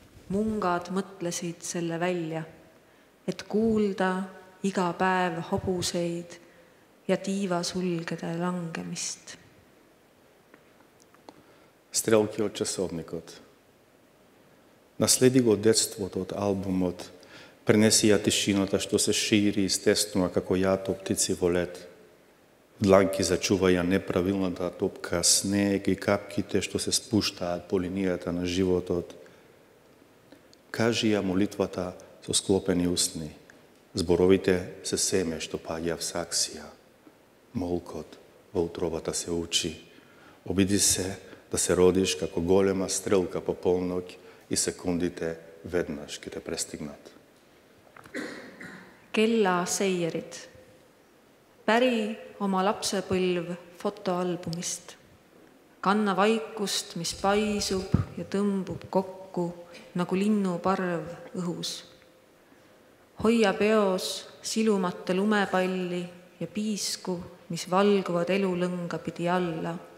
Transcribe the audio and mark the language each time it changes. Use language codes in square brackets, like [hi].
[et] Mungad mõtlesid selle välja, et kuulda iga päev hobuseid ja tiiva sulgede langemist. [mk] Стрелки од часовникот. Наследи го детството од албумот. Пренеси ја тишината што се шири и стеснува како јато птици во лед. Дланки зачуваја неправилната топка снег и капките што се спуштаат по линијата на животот. Кажи ја молитвата со склопени устни. Зборовите се семе што паѓа в саксија. Молкот во утробата се учи. Обиди се да се родиш како голема стрелка по полнок и секундите веднаш ќе те престигнат. [et] Kella seierid. Päri oma lapsepõlv fotoalbumist. Kanna vaikust, mis paisub ja tõmbub kokku nagu linnu parv õhus. Hoia peos silumate lumepalli ja piisku, mis valguvad elulõnga pidi alla.